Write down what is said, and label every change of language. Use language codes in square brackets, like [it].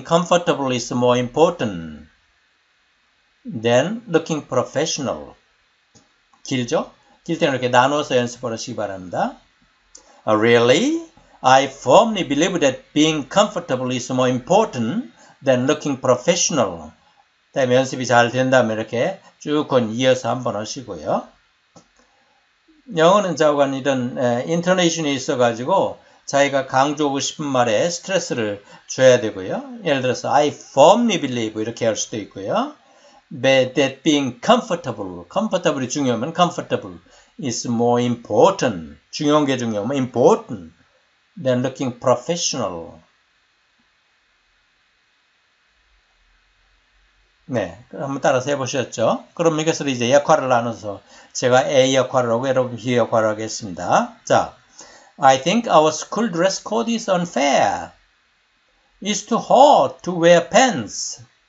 [en] I actually think shorts looks unprofessional. Really? I firmly believe that being comfortable is more important than looking professional. [ko] 길죠? 길 때는 이렇게 나눠서 연습을 하시기 바랍니다. [en] Really? I firmly believe that being comfortable is more important than looking professional. [ko] 다음에 연습이 잘 된다면 이렇게 쭉 이어서 한번 하시고요. 영어는 자고간 이런 인터네이션이 있어가지고 자기가 강조하고 싶은 말에 스트레스를 줘야 되고요. 예를 들어서 [en] I firmly believe [ko] 이렇게 할 수도 있고요. [en] That being comfortable이 중요하면 comfortable is more important. [ko] 중요한 게 중요하면 [en] important than looking professional. [ko] 네, 한번 따라서 해보셨죠? 그럼 이것을 이제 역할을 나눠서 제가 A 역할을 하고 여러분 B 역할을 하겠습니다. 자, [en] I think our school dress code is unfair. It's too hot to wear pants.